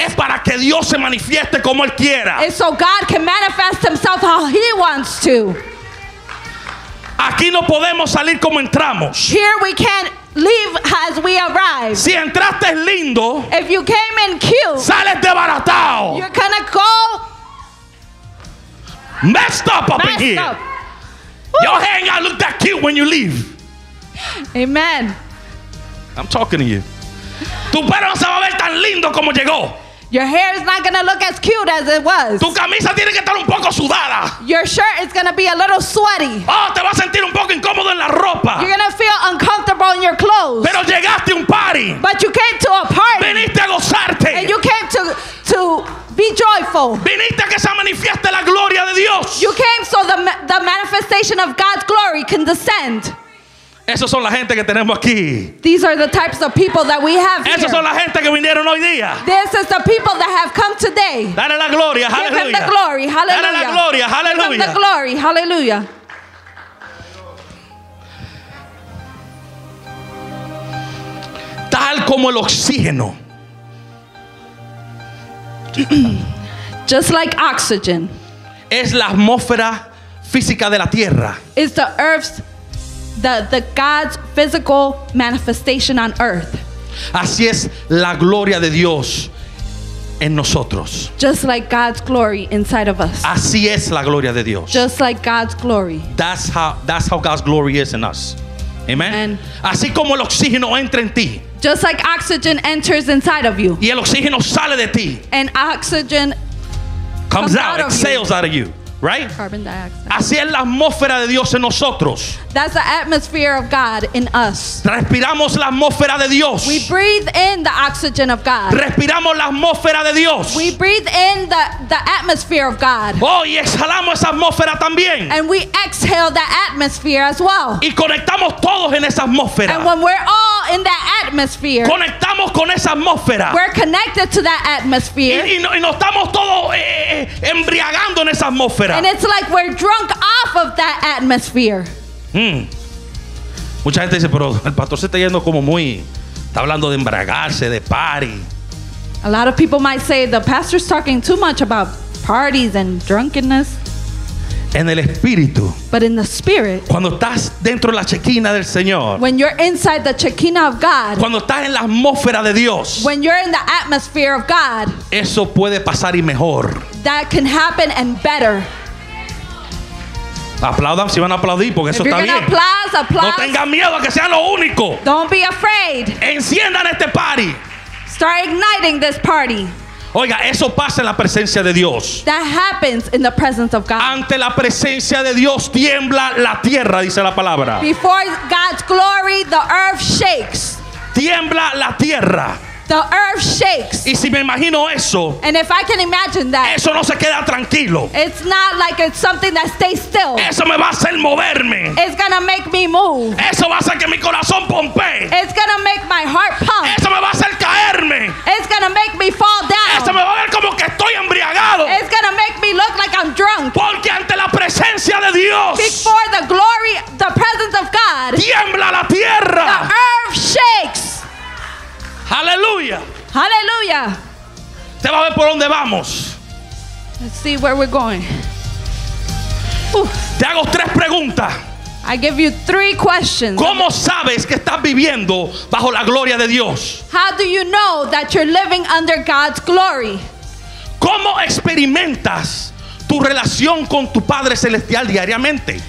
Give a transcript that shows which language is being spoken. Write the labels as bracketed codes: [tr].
[es] es para que Dios se manifieste como él quiera, [en] it's so God can manifest himself how he wants to. [es] Aquí no podemos salir como entramos. [en] Here we can't leave as we arrive. [es] Si entraste lindo, [en] if you came in cute, [es] sales desbaratado. [en] You're gonna go messed up in here. Woo. Your hair ain't gonna look that cute when you leave. Amen. I'm talking to you. [es] Tu pelo no se va a ver tan lindo como llegó. [en] Your hair is not gonna look as cute as it was. [es] Tu camisa tiene que estar un poco sudada. [en] Your shirt is gonna be a little sweaty. [es] Oh, te vas a sentir un poco incómodo en la ropa. [en] You're gonna feel uncomfortable in your clothes. [es] Pero llegaste a un party. [en] But you came to a party. [es] Viniste a gozarte. [en] And you came to be joyful. [es] Viniste a que se manifieste la gloria de Dios. [en] You came so the manifestation of God's glory can descend. [es] Esos son la gente que tenemos aquí. [en] These are the types of people that we have here. [es] Esos son la gente que vinieron hoy día. [en] This is the people that have come today. [es] Dale la gloria, hallelujah. [en] Give them the glory, hallelujah. [es] Dale la gloria, hallelujah. [en] Give them the glory, hallelujah. [es] Tal como el oxígeno. [en] Just like oxygen. [es] Es la atmósfera física de la tierra. [en] It's the earth's, the God's physical manifestation on earth. [es] Así es la gloria de Dios en nosotros. [en] Just like God's glory inside of us. [es] Así es la gloria de Dios. [en] Just like God's glory. That's how God's glory is in us. Amen. [es] And así como el oxígeno entra en ti. [en] Just like oxygen enters inside of you. [es] Y el oxígeno sale de ti. [en] And oxygen comes out, exhales out of you. Right? Carbon dioxide. [es] Así es la atmósfera de Dios en nosotros. [en] That's the atmosphere of God in us. [es] Respiramos la atmósfera de Dios. [en] We breathe in the oxygen of God. [es] Respiramos la atmósfera de Dios. [en] We breathe in the atmosphere of God. [es] Oh, y exhalamos esa atmósfera también. [en] And we exhale the atmosphere as well. [es] Y conectamos todos en esa atmósfera. [en] And when we're all in that atmosphere, [es] conectamos con esa atmósfera. [en] We're connected to that atmosphere. [es] Y nos estamos todos embriagando en esa atmósfera. [en] And it's like we're drunk off of that atmosphere. [es] Mucha gente dice, pero el pastor se está yendo como muy, está hablando de embriagarse, de party. [en] A lot of people might say the pastor's talking too much about parties and drunkenness. [es] En el espíritu. [en] But in the spirit. [es] Cuando estás dentro de la chequina del Señor. [en] When you're inside the chequina of God. [es] Cuando estás en la atmósfera de Dios. [en] When you're in the atmosphere of God. [es] Eso puede pasar y mejor. [en] That can happen and better. [es] Aplaudan, si van a aplaudir, porque [en] if [es] eso está bien. [en] Applause, applause. [es] No tengan miedo a que sea lo único. [en] Don't be afraid. [es] Enciendan este party. [en] Start igniting this party. [es] Oiga, eso pasa en la presencia de Dios. [en] That happens in the presence of God. [es] Ante la presencia de Dios tiembla la tierra, dice la palabra. [en] Before God's glory, the earth shakes. [es] Tiembla la tierra. [en] The earth shakes. [es] Y si me imagino eso, [en] and if I can imagine that, [es] eso no se queda tranquilo. [en] It's not like it's something that stays still. [es] Eso me va a hacer moverme. [en] It's gonna make me move. [es] Eso va a hacer que mi corazón pompe. [en] It's gonna make my heart pump. [es] Eso me va a hacer caerme. [en] It's gonna make me fall down. [es] Eso me va a ver como que estoy embriagado. [en] It's gonna make me look like I'm drunk. [es] Porque ante la presencia de Dios, [en] before the glory, the presence of God, [es] tiembla la tierra. [en] The earth shakes. Hallelujah. Hallelujah. [es] Te va a ver por dónde vamos. [en] Let's see where we're going. [es] Te hago tres preguntas. [en] I give you three questions. [es] ¿Cómo sabes que estás viviendo bajo la gloria de Dios? [en] How do you know that you're living under God's glory? [es] ¿Cómo experimentas tu relación con tu Padre Celestial diariamente?